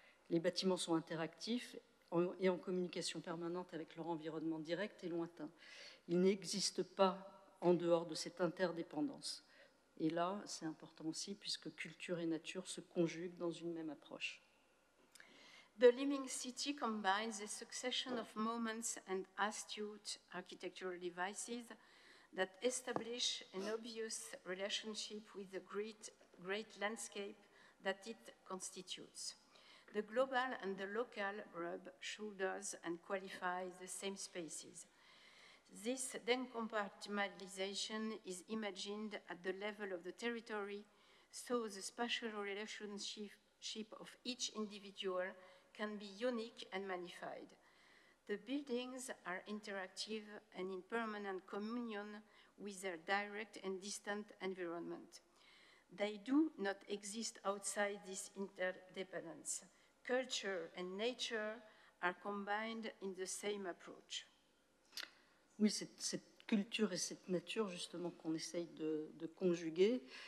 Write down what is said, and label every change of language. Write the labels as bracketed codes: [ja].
[fr] Les bâtiments sont interactifs et en communication permanente avec leur environnement direct et lointain. Ils n'existent pas en dehors de cette interdépendance. Et là, c'est important aussi, puisque culture et nature se conjuguent dans une même approche. [en] The living city combines a succession of moments and astute architectural devices that establish an obvious relationship with the great landscape that it constitutes. The global and the local rub shoulders and qualify the same spaces. This decompartmentalization is imagined at the level of the territory, so the spatial relationship of each individual can be unique and magnified. The buildings are interactive and in permanent communion with their direct and distant environment. They do not exist outside this interdependence. Culture and nature are combined in the same approach. [fr] Oui, c'est cette culture et cette nature justement qu'on essaye de conjuguer.